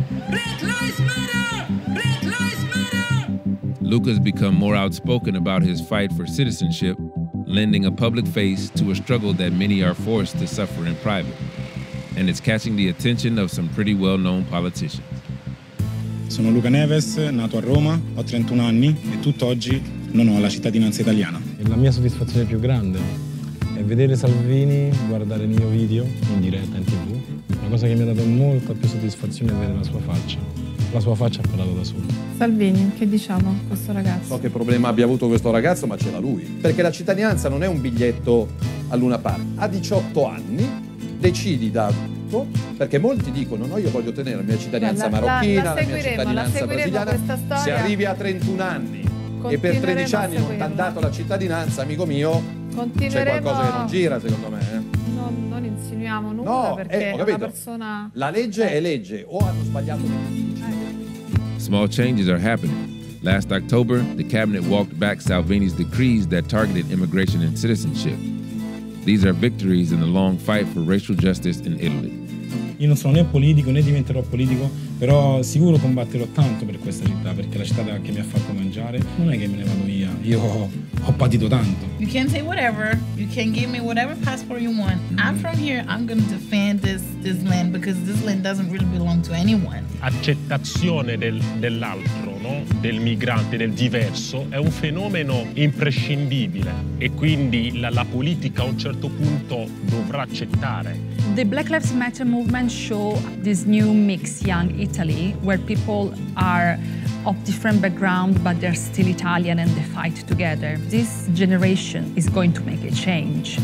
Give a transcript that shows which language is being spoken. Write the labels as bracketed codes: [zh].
[en] Black lives matter! Black lives matter! Luca's become more outspoken about his fight for citizenship, lending a public face to a struggle that many are forced to suffer in private. And it's catching the attention of some pretty well-known politicians. [it] Sono Luca Neves, nato a Roma, ho 31 anni e tutt'oggi non ho la cittadinanza italiana. È la mia soddisfazione più grande. E vedere Salvini guardare il mio video in diretta in TV, la cosa che mi ha dato molta più soddisfazione è vedere la sua faccia. La sua faccia ha parlato da sola. Salvini, che diciamo questo ragazzo? So che problema abbia avuto questo ragazzo, ma ce l'ha lui. Perché la cittadinanza non è un biglietto a Luna Park. A 18 anni decidi da tutto, perché molti dicono no, io voglio tenere la mia cittadinanza marocchina, la mia cittadinanza brasiliana. Se arrivi a 31 anni e per 13 anni non ti hanno dato la cittadinanza, amico mio, c'è qualcosa che non gira, secondo me. Non insinuiamo nulla, no, perché una persona... La legge è legge, o hanno sbagliato le leggi. [en] Small changes are happening. Last October, the cabinet walked back Salvini's decrees that targeted immigration and citizenship. These are victories in the long fight for racial justice in Italy. [it] Io non sono né politico né diventerò politico, però sicuro combatterò tanto per questa città, perché la città che mi ha fatto mangiare non è che me ne vado via, io ho patito tanto. [en] You can say whatever, you can give me whatever passport you want. I'm from here, I'm gonna defend this land, because this land doesn't really belong to anyone. [it] Accettazione dell'altro, no? Del migrante, del diverso, è un fenomeno imprescindibile e quindi la politica a un certo punto dovrà accettare. [en] The Black Lives Matter movement show this new mix young Italy where people are of different background but they're still Italian and they fight together. This generation is going to make a change.